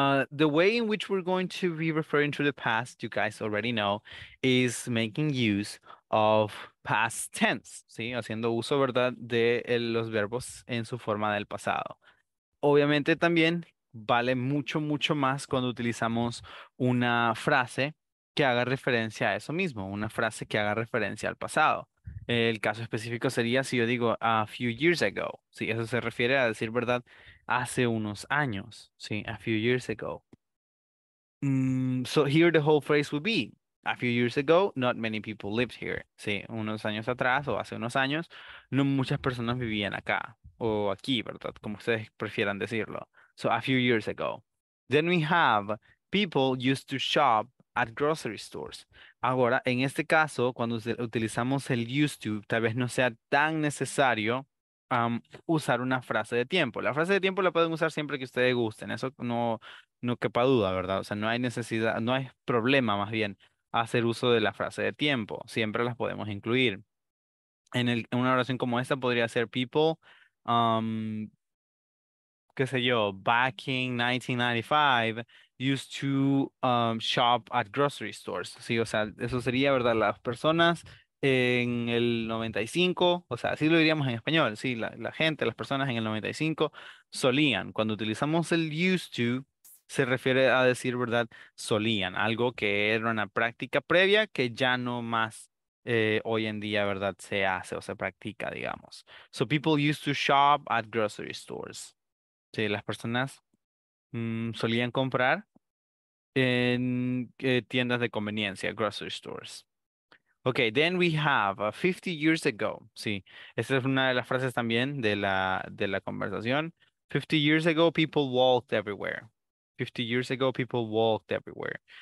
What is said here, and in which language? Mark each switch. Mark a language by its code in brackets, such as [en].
[en] The way in which we're going to be referring to the past, you guys already know, is making use of past tense. [es] ¿Sí? Haciendo uso, ¿verdad?, de los verbos en su forma del pasado. Obviamente también vale mucho, mucho más cuando utilizamos una frase que haga referencia a eso mismo, una frase que haga referencia al pasado. El caso específico sería si yo digo [en] a few years ago, [es] si eso se refiere a decir, ¿verdad?, hace unos años, sí, a few years ago. [en] So here the whole phrase would be, a few years ago, not many people lived here. [es] Sí, unos años atrás o hace unos años, no muchas personas vivían acá o aquí, ¿verdad?, como ustedes prefieran decirlo. [en] So a few years ago. Then we have people used to shop at grocery stores. [es] Ahora, en este caso, cuando utilizamos el used to, tal vez no sea tan necesario usar una frase de tiempo. La frase de tiempo la pueden usar siempre que ustedes gusten. Eso no quepa duda, ¿verdad? O sea, no hay necesidad, no hay problema más bien hacer uso de la frase de tiempo. Siempre las podemos incluir. En una oración como esta podría ser people... [en] qué sé yo, back in 1995, used to shop at grocery stores. [es] Sí, o sea, eso sería, ¿verdad? Las personas en el 95, o sea, así lo diríamos en español, sí, la gente, las personas en el 95 solían. Cuando utilizamos el used to, se refiere a decir, ¿verdad?, solían, algo que era una práctica previa que ya no más hoy en día, ¿verdad?, se hace o se practica, digamos. [en] So people used to shop at grocery stores. [es] Sí, las personas solían comprar en tiendas de conveniencia, grocery stores. [en] Okay, then we have 50 years ago. [es] Sí, esta es una de las frases también de la conversación. [en] 50 years ago, people walked everywhere. 50 years ago, people walked everywhere.